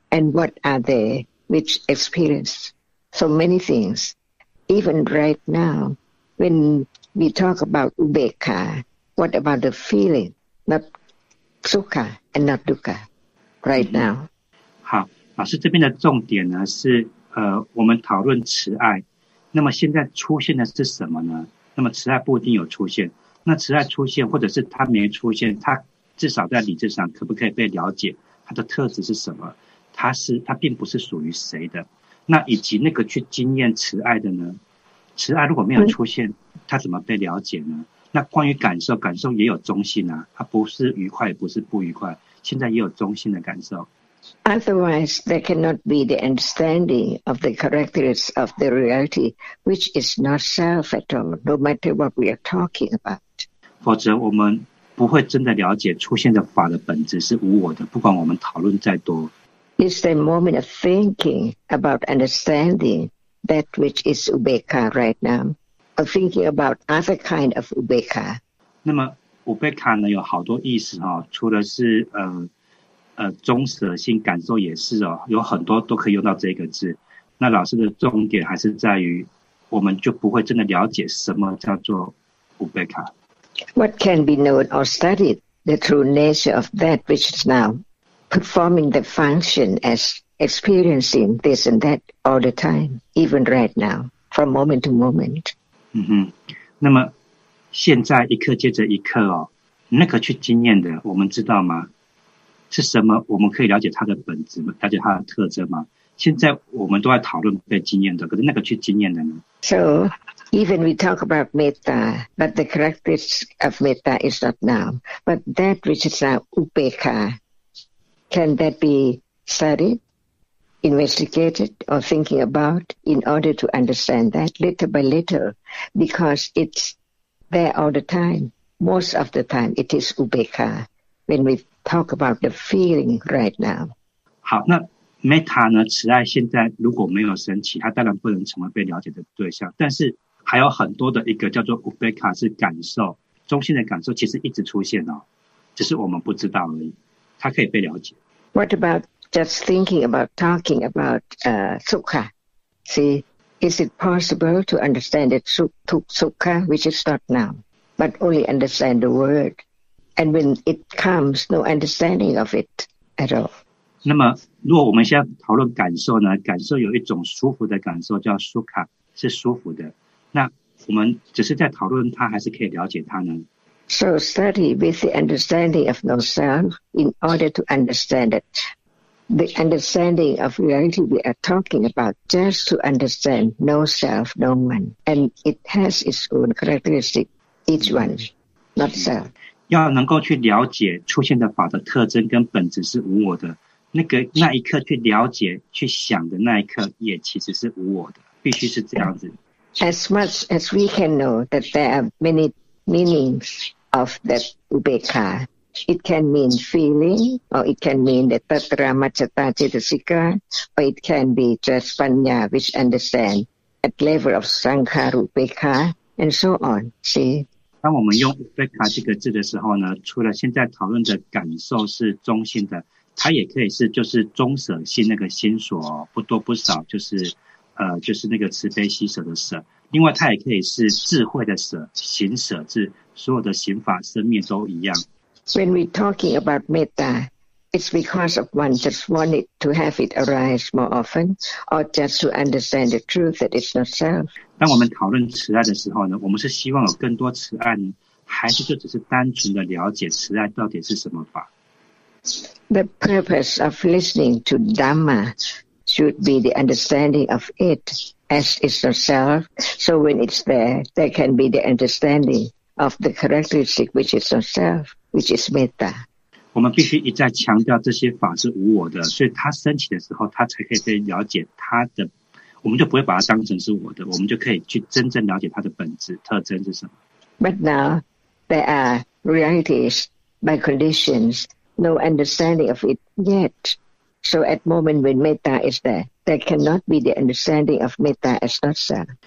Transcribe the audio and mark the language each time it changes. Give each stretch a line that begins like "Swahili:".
English: And what are they which experience so many things? Even right now, when we talk about ubekha, what about the feeling, not sukha and not dukkha, right now?
Chinese: 好，老师这边的重点呢是我们讨论慈爱，那么现在出现的是什么呢？那么慈爱不一定有出现，那慈爱出现或者是它没出现，它至少在理智上可不可以被了解，它的特质是什么，它并不是属于谁的，那以及那个去经验慈爱的呢，慈爱如果没有出现，它怎么被了解呢？那关于感受，感受也有中性啊，它不是愉快也不是不愉快，现在也有中性的感受。
English: Otherwise, there cannot be the understanding of the characteristics of the reality, which is not self at all, no matter what we are talking about.
Chinese: 否则我们不会真的了解出现的法的本质是无我的，不管我们讨论再多。
English: It's the moment of thinking about understanding that which is ubekha right now, or thinking about other kind of ubekha.
Chinese: 那么ubekha呢有好多意思哦，除了是中舍性感受也是哦，有很多都可以用到这个字。那老师的重点还是在于，我们就不会真的了解什么叫做 ubekha。
English: What can be known or studied, the true nature of that which is now performing the function as experiencing this and that all the time, even right now, from moment to moment。
Chinese: 嗯哼，那么现在一刻接着一刻哦，那个去经验的，我们知道吗？是什么？我们可以了解它的本质吗？了解它的特征吗？现在我们都在讨论被经验的，可是那个去经验的呢
English: ？So even we talk about metta, but the characteristics of metta is not now. But that which is now ubekha, can that be studied, investigated, or thinking about in order to understand that little by little? Because it's there all the time. Most of the time, it is ubekha when we talk about the feeling right now.
Chinese: 好，那 metta 呢？慈爱现在如果没有升起，它当然不能成为被了解的对象。但是还有很多的一个叫做 ubekha 是感受，中性的感受，其实一直出现哦，只是我们不知道而已。它可以被了解。
English: What about just thinking about talking about sukha? See, is it possible to understand that sukha, which is not now, but only understand the word? And when it comes, no understanding of it at all.
Chinese: 那么，如果我们现在讨论感受呢？感受有一种舒服的感受，叫 sukha， 是舒服的。那我们只是在讨论它，还是可以了解它呢
English: ？So study with the understanding of no self in order to understand it. The understanding of reality we are talking about just to understand no self, no one, and it has its own characteristic, each one, not self.
Chinese: 要能够去了解出现的法的特征跟本质是无我的，那一刻去了解去想的那一刻也其实是无我的，必须是这样子。
English: As much as we can know that there are many meanings of that ubekha, It can mean feeling, or it can mean the tatra macchata cittasika, or it can be just panya, which understand at level of sankhara upekha, and so on. See?
Chinese: 当我们用 upekha 这个字的时候呢，除了现在讨论的感受是中心的，它也可以是就是中舍心那个心所不多不少，就是就是那个慈悲喜舍的舍。另外它也可以是智慧的舍，行舍智，所有的行法生灭都一样。
English: When we're talking about metta, it's because of one just wanted to have it arise more often, or just to understand the truth that it's not self.
Chinese: 当我们讨论慈爱的时候呢，我们是希望有更多慈爱呢，还是就只是单纯的了解慈爱到底是什么法？
English: The purpose of listening to Dhamma should be the understanding of it as it's not self. So when it's there, there can be the understanding of the characteristic which is not self. Which is metta.
Chinese: 我们必须一再强调这些法是无我的，所以它升起的时候，它才可以被了解它的。我们就不会把它当成是我的，我们就可以去真正了解它的本质特征是什么。
English: But now there are realities by conditions, no understanding of it yet. So at moment when metta is there, there cannot be the understanding of metta as not self.